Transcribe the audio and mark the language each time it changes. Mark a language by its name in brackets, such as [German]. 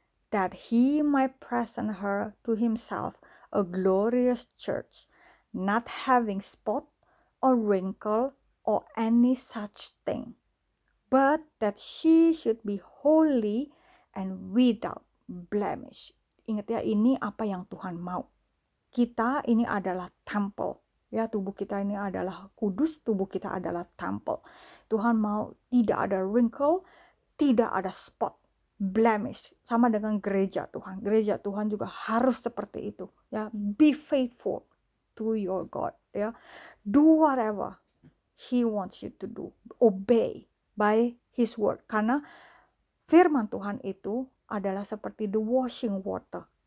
[English] that he might present her to himself a glorious church, not having spot or wrinkle or any such thing, but that she should be holy and without blemish [Indonesian] ingat ya, ini apa yang Tuhan mau. Kita ini adalah temple. Ya, tubuh kita ini adalah kudus, tubuh kita adalah temple. Tuhan mau tidak ada wrinkle, tidak ada spot, blemish. Sama dengan gereja Tuhan. Gereja Tuhan juga harus seperti itu. [English] Ya, be faithful to your God. Ya, do whatever He wants you to do. Obey by His word. [Indonesian] Karena firman Tuhan itu adalah seperti [English] the washing water.